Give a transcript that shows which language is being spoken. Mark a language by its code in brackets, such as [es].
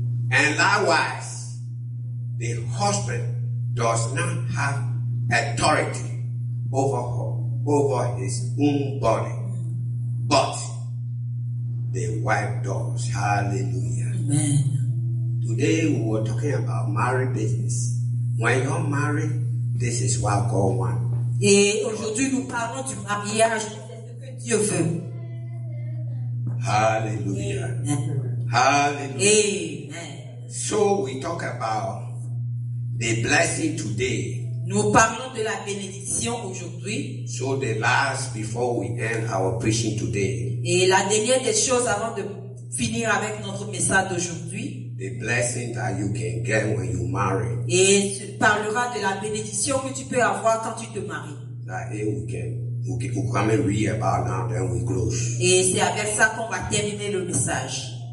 [en] And likewise, the husband does not have authority over her, over his own body, but the wife does. Hallelujah. Amen. Today we were talking about marriage business. When you're married, this is what God wants. [fr] Et aujourd'hui nous parlons du mariage, que Dieu veut. Hallelujah. Amen. Hallelujah. Amen. [en] So we talk about the blessing today. [fr] Nous parlons de la bénédiction aujourd'hui. [en] So the last before we end our preaching today. [fr] Et la dernière des choses avant de finir avec notre message d'aujourd'hui. [en] The blessing that you can get when you marry. [fr] Et tu parleras de la bénédiction que tu peux avoir quand tu te maries. [en] That we come and read about now, then we close. [fr] Et c'est avec ça qu'on va terminer le message.